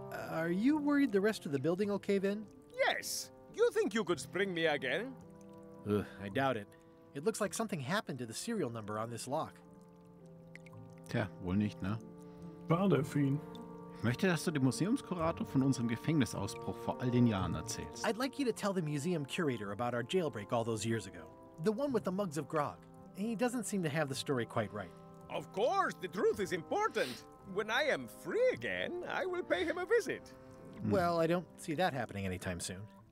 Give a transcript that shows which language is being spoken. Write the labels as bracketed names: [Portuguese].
[English] Are you worried the rest of the building will cave in? Yes. You think you could spring me again? Ugh, I doubt it. It looks like something happened to the serial number on this lock. [German] Tja, wohl nicht, ne? War der Fien. Ich möchte, dass du dem Museumskurator von unserem Gefängnisausbruch vor all den Jahren erzählst. [English] I'd like you to tell the museum curator about our jailbreak all those years ago. The one with the mugs of grog. He doesn't seem to have the story quite right. Of course, the truth is important. When I am free again, I will pay him a visit. Mm. Well, I don't see that happening anytime soon.